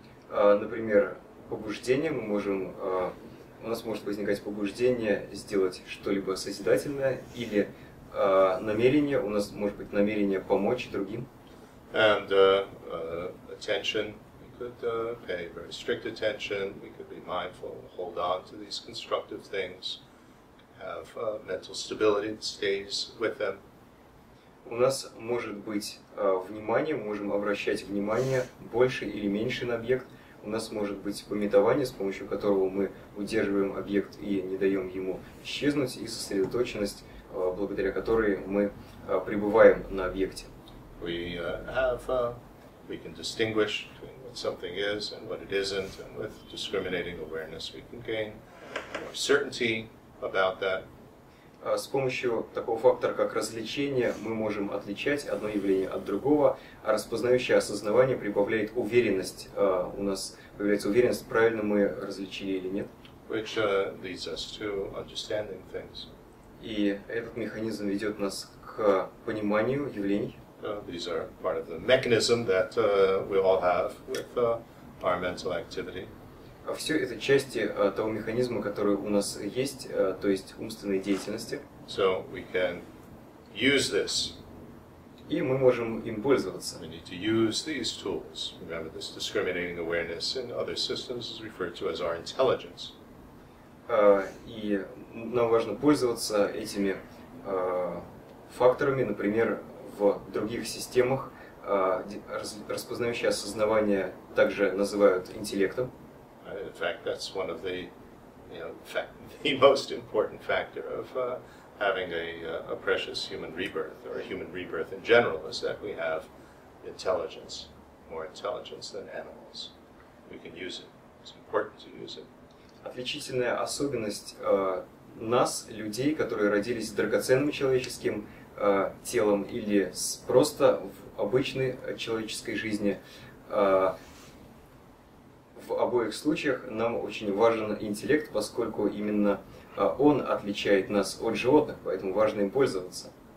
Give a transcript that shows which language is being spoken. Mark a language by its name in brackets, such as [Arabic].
[Russian] Например, побуждение, мы можем, у нас может возникать побуждение сделать что-либо созидательное, или намерение, у нас может быть намерение помочь другим. [English] And attention, we could pay very strict attention, we could be mindful, hold on to these constructive things, have mental stability that stays with them. [Russian] У нас может быть внимание, мы можем обращать внимание больше или меньше на объект. У нас может быть пометование, с помощью которого мы удерживаем объект и не даем ему исчезнуть, и сосредоточенность, благодаря которой мы пребываем на объекте. [English] We have, we can distinguish between what something is and what it isn't, and with discriminating awareness we can gain more certainty about that. [Russian] С помощью такого фактора, как развлечение, мы можем отличать одно явление от другого, а распознающее осознавание прибавляет уверенность. У нас появляется уверенность, правильно мы различили или нет. [English] Which leads us to understanding things. [Russian] И этот механизм ведет нас к пониманию явлений. [English] These are part of the mechanism that we all have with our mental activity. [Russian] Все это части того механизма, который у нас есть, то есть умственной деятельности. [English] So we can use this. [Russian] И мы можем им пользоваться. [English] We need to use these tools. Remember, this discriminating awareness in other systems is referred to as our intelligence. [Russian] И нам важно пользоваться этими факторами, например, в других системах, распознающие осознавание также называют интеллектом. [English] In fact, that's one of the, you know, the most important factor of having a precious human rebirth, or a human rebirth in general, is that we have intelligence, more intelligence than animals. We can use it. It's important to use it. [Russian] Отличительная особенность нас, людей, которые родились с драгоценным человеческим телом или с просто в обычной человеческой жизни, в обоих случаях нам очень важен интеллект, поскольку именно он отличает нас от животных, поэтому важно им пользоваться.